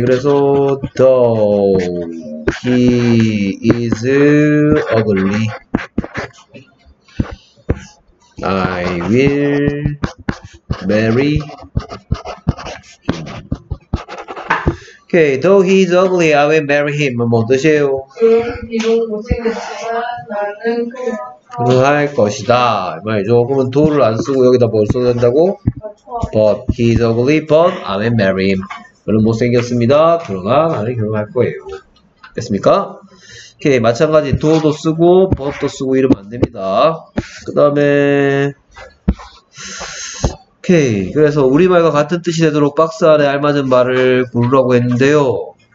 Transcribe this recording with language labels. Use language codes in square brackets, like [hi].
[en] 그래서 though he is ugly I will Mary. Okay, though he's ugly, I will marry him. [ko] 뭐 뜻이에요? 그는 할 것이다. 말이죠. 그러면 도를 안 쓰고 여기다 뭘 써야 된다고? [en] But he's ugly, but I will marry him. [ko] 물론 못생겼습니다. 그러나 나는 결혼할 거예요. 됐습니까? 오케이. 마찬가지 도도 쓰고 but도 쓰고 이러면 안 됩니다. 그 다음에 오케이. 그래서 우리말과 같은 뜻이 되도록 박스 안에 알맞은 말을 고르라고 했는데요.